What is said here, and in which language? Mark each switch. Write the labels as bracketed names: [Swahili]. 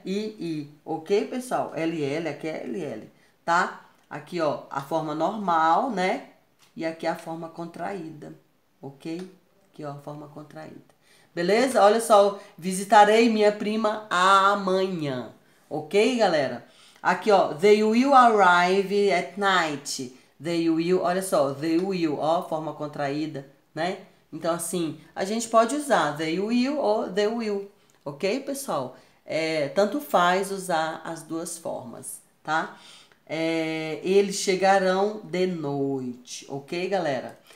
[Portuguese] I. Ok, pessoal? LL, aqui é LL, tá? Aqui, ó, a forma normal, né? E aqui a forma contraída, ok? Aqui, ó, a forma contraída. Beleza? Olha só, visitarei minha prima amanhã. Ok, galera? Aqui, ó, [English] they will arrive at night. They will, [Portuguese] olha só, [English] they will, [Portuguese] ó, forma contraída, né? Então, assim, a gente pode usar they will ou they will, ok, pessoal? Tanto faz usar as duas formas, tá? Eles chegarão de noite, ok, galera?